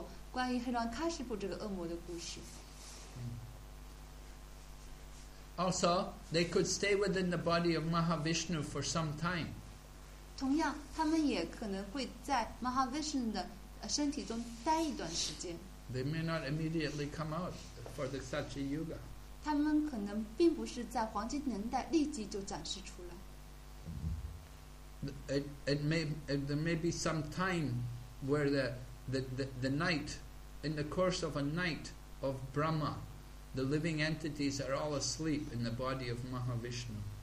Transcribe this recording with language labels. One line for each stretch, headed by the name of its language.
Chinese: 我们书中读到过关于黑兰喀什布这个恶魔的故事。
English: Also, they could stay within the body of Mahavishnu for some time.
Chinese: 同样,他们也可能会在Mahavishnu的身体中待一段时间。
English: They may not immediately come out for the Satya Yuga.
Chinese: 他们可能并不是在黄金年代立即就展示出来。
English: There may be some time where the night, in the course of a night of Brahma, the living entities are all asleep in the body of Mahavishnu.